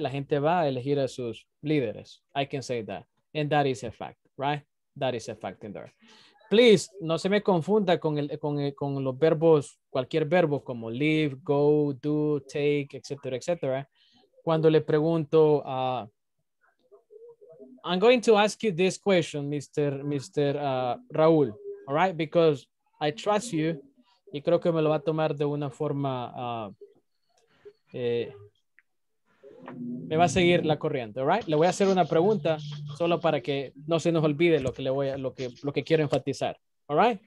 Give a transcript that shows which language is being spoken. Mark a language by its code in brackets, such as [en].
[es] La gente va a elegir a sus líderes. [en] I can say that. And that is a fact, right? That is a fact in there. Please, [es] no se me confunda con los verbos, cualquier verbo como live, go, do, take, etcétera, etcétera. Cuando le pregunto, [en] I'm going to ask you this question, Mr. Raúl, all right? Because I trust you. [es] Y creo que me lo va a tomar de una forma, me va a seguir la corriente, all right? Le voy a hacer una pregunta solo para que no se nos olvide lo que quiero enfatizar, all right?